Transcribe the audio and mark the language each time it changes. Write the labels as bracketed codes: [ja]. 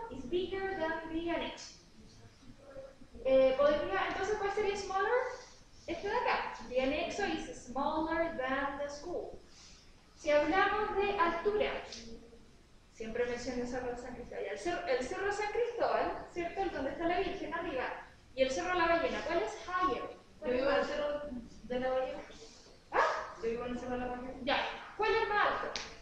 [en] Is bigger than the annex. [es] ¿Podría, entonces, cuál sería smaller? Este de acá. [en] The anexo is smaller than the school. [es] Si hablamos de altura, siempre menciono el Cerro de San Cristóbal. El Cerro de San Cristóbal, ¿cierto? El donde está la Virgen arriba. Y el Cerro de la Ballena, ¿cuál es higher? Yo vivo en el Cerro de la Ballena. ¿Ah? Yo vivo en el Cerro de la Ballena. Ya. ¿Cuál es más alto?